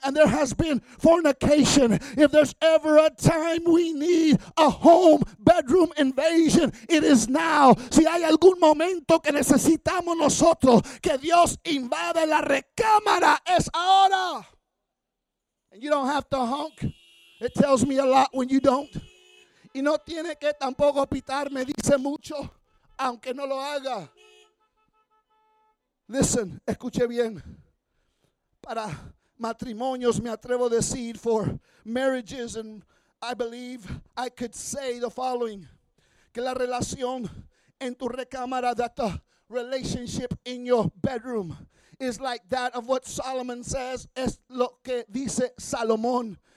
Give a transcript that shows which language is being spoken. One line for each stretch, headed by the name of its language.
English: And there has been fornication. If there's ever a time we need a home bedroom invasion, it is now.
Spanish: Si hay algún momento que necesitamos nosotros que Dios invade la recámara, es ahora.
English: And you don't have to honk. It tells me a lot when you don't.
Spanish: Y no tiene que tampoco pitar, me dice mucho, aunque no lo haga.
English: Listen,
Spanish: escuche bien. Para matrimonios, me atrevo a decir,
English: for marriages, and I believe I could say the following. Que la relación en tu recámara, that the relationship in your bedroom, is like that of what Solomon says,
Spanish: es lo que dice Salomón.